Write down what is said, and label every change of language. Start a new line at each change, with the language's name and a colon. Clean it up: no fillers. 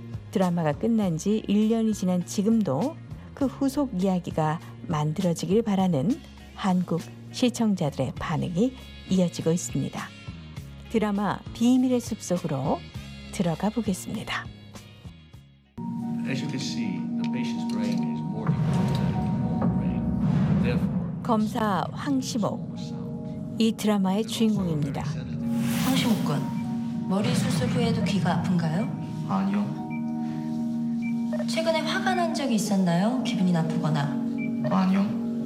Korean: 드라마가 끝난 지 1년이 지난 지금도 그 후속 이야기가 만들어지길 바라는 한국 시청자들의 반응이 이어지고 있습니다. 드라마 비밀의 숲 속으로 들어가 보겠습니다.
English: As you can see, the patient's brain is more than normal brain.
Korean: 검사 황시목, 이 드라마의 주인공입니다. 황시목군, 머리 수술 후에도 귀가 아픈가요? 아니요. 최근에 화가 난 적이 있었나요? 기분이 나쁘거나. 아니요.